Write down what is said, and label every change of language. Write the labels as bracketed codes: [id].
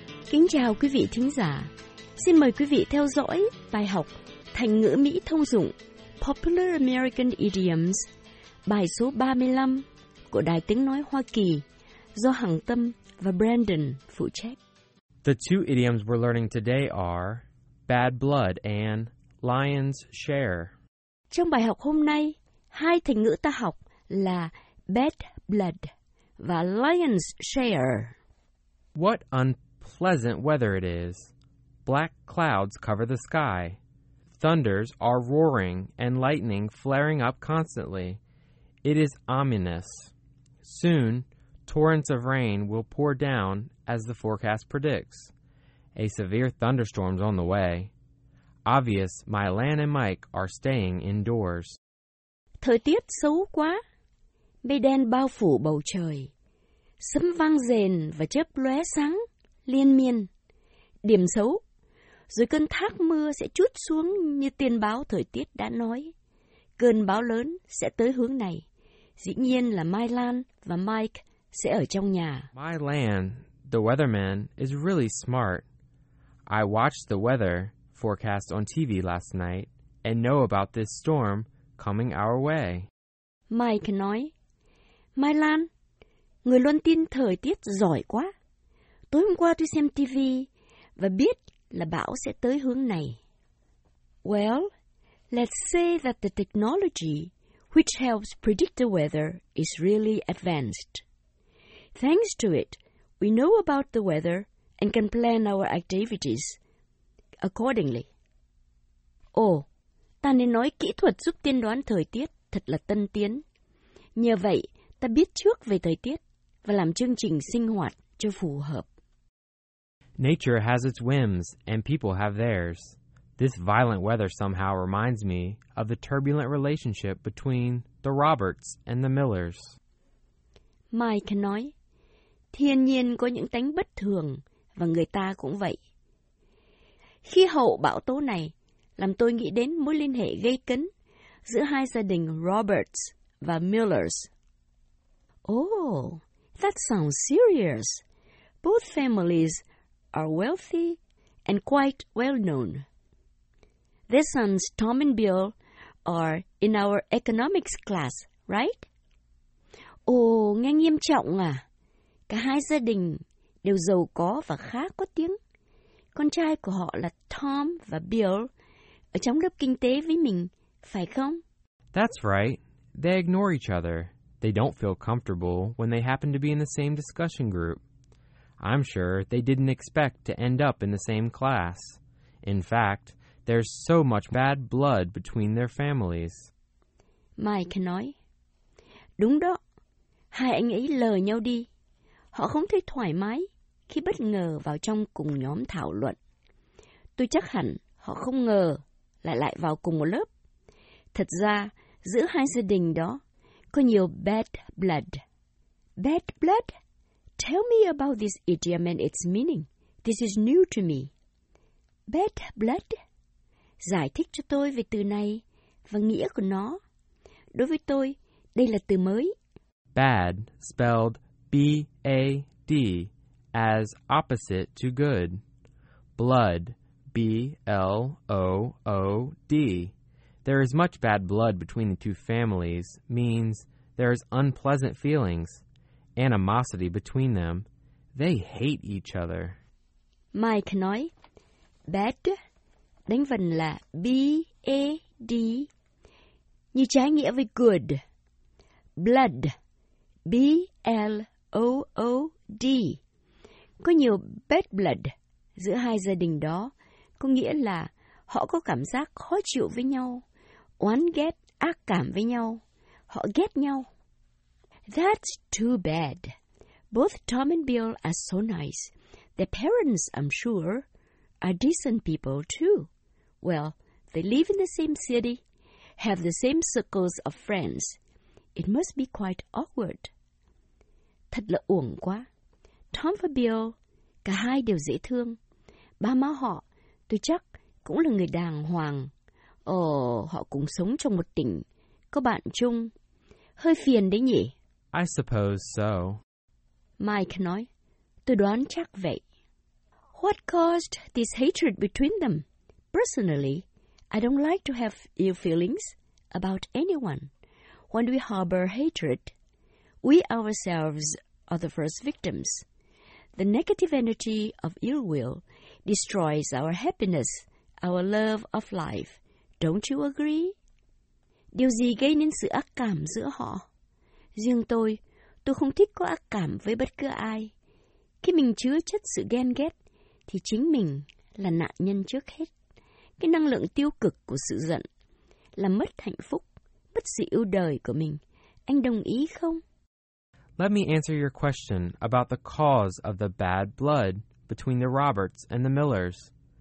[vi] Kính chào quý vị thính giả. Xin mời quý vị theo dõi bài học Thành ngữ Mỹ thông dụng Popular American Idioms, bài số 35 của Đài Tiếng Nói Hoa Kỳ do Hằng Tâm và Brandon phụ trách. [en] The two idioms we're learning today are bad blood and lion's share. [vi] Trong bài học hôm nay, hai thành ngữ ta học là bad blood và lion's share. [en] What unpleasant weather it is. Black clouds cover the sky. Thunders are roaring and lightning flaring up constantly. It is ominous. Soon, torrents of rain will pour down as the forecast predicts. A severe thunderstorm's on the way. Obvious, my Lan and Mike are staying indoors. [vi] Thời tiết xấu quá. Mây đen bao phủ bầu trời. Sấm vang rền và chớp lóe sáng liên miên. Điểm xấu. Rồi cơn thác mưa sẽ trút xuống như tiên báo thời tiết đã nói. Cơn bão lớn sẽ tới hướng này. Dĩ nhiên là Mai Lan và Mike sẽ ở trong nhà. [en] Mai Lan, the weatherman, is really smart. I watched the weather forecast on TV last night and know about this storm coming our way. [vi] Mike nói, Mai Lan, người luôn tin thời tiết giỏi quá. Tối hôm qua tôi xem TV và biết là bão sẽ tới hướng này. [en] Well, let's say that the technology which helps predict the weather is really advanced. Thanks to it, we know about the weather and can plan our activities accordingly. [vi] Ồ, ta nên nói kỹ thuật giúp tiên đoán thời tiết thật là tân tiến. Nhờ vậy, ta biết trước về thời tiết và làm chương trình sinh hoạt cho phù hợp. [en] Nature has its whims, and people have theirs. This violent weather somehow reminds me of the turbulent relationship between the Roberts and the Millers. [vi] Mike nói, thiên nhiên có những tánh bất thường, và người ta cũng vậy. Khí hậu bão tố này làm tôi nghĩ đến mối liên hệ gây cấn giữa hai gia đình Roberts và Millers. [en] Oh, that sounds serious. Both families are wealthy and quite well known. Their sons Tom and Bill are in our economics class, right? [vi] Ồ, nghe nghiêm trọng à. Cả hai gia đình đều giàu có và khá có tiếng. Con trai của họ là Tom và Bill ở trong lớp kinh tế với mình, phải không? [en] That's right. They ignore each other. They don't feel comfortable when they happen to be in the same discussion group. I'm sure they didn't expect to end up in the same class. In fact, there's so much bad blood between their families. [vi] Mike nói, đúng đó, hai anh ấy lờ nhau đi. Họ không thấy thoải mái khi bất ngờ vào trong cùng nhóm thảo luận. Tôi chắc hẳn họ không ngờ lại vào cùng một lớp. Thật ra, giữa hai gia đình đó có nhiều bad blood. [en] Bad blood? Tell me about this idiom and its meaning. This is new to me. Bad blood? [vi] Giải thích cho tôi về từ này và nghĩa của nó. Đối với tôi, đây là từ mới. [en] Bad, spelled B-A-D, as opposite to good. Blood, B-L-O-O-D. There is much bad blood between the two families means there is unpleasant feelings. Animosity between them. They hate each other. [vi] Mike nói, bad, đánh vần là B-A-D, như trái nghĩa với good. [en] Blood, B-L-O-O-D. [vi] Có nhiều bad blood giữa hai gia đình đó, có nghĩa là họ có cảm giác khó chịu với nhau, oán ghét, ác cảm với nhau, họ ghét nhau. [en] That's too bad. Both Tom and Bill are so nice. Their parents, I'm sure, are decent people too. Well, they live in the same city, have the same circles of friends. It must be quite awkward. [vi] Thật là uổng quá. Tom và Bill, cả hai đều dễ thương. Ba má họ, tôi chắc, cũng là người đàng hoàng. Ồ, họ cũng sống trong một tỉnh, có bạn chung. Hơi phiền đấy nhỉ? [en] I suppose so. [vi] Mike nói, tôi đoán chắc vậy. [en] What caused this hatred between them? Personally, I don't like to have ill feelings about anyone. When we harbor hatred, we ourselves are the first victims. The negative energy of ill will destroys our happiness, our love of life. Don't you agree? [vi] Điều gì gây nên sự ác cảm giữa họ? Riêng tôi không thích có ác cảm với bất cứ ai. Khi mình chứa chất sự ghen ghét, thì chính mình là nạn nhân trước hết. Cái năng lượng tiêu cực của sự giận là mất hạnh phúc, mất sự yêu đời của mình. Anh đồng ý không? [en] Let me answer your question about the cause of the bad blood between the Roberts and the Millers.